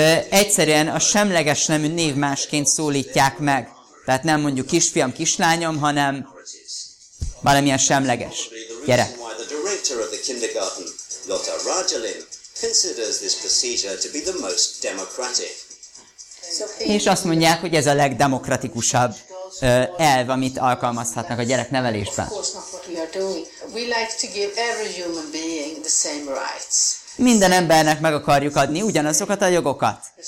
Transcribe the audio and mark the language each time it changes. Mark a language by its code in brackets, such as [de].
[hu] Egyszerűen a semleges nemű név másként szólítják meg. Tehát nem mondjuk kisfiam, kislányom, hanem valamilyen semleges gyerek. [en] Director of the kindergarten, Lotta Rajalin, considers this procedure to be the most democratic. [hu] És azt mondják, hogy ez a legdemokratikusabb elv, amit alkalmazhatnak a gyereknevelésben. [en] We like to give every human being the same rights. [hu] Minden embernek meg akarjuk adni ugyanazokat a jogokat.